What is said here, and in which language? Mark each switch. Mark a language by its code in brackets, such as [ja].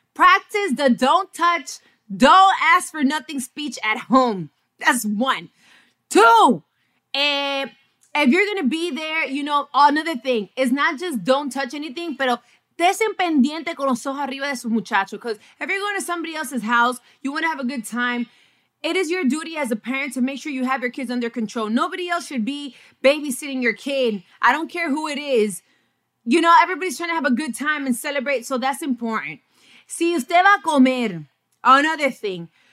[en] Practice the don't touch, don't ask for nothing speech at home. That's one. Two, if you're going to be there, you know, another thing. It's not just don't touch anything, [es] pero... Estén pendiente con los ojos arriba de sus muchachos. [en] Because if you're going to somebody else's house, you want to have a good time. It is your duty as a parent to make sure you have your kids under control. Nobody else should be babysitting your kid. I don't care who it is. You know, everybody's trying to have a good time and celebrate. So that's important. [es] Si usted va a comer, [en] another thing.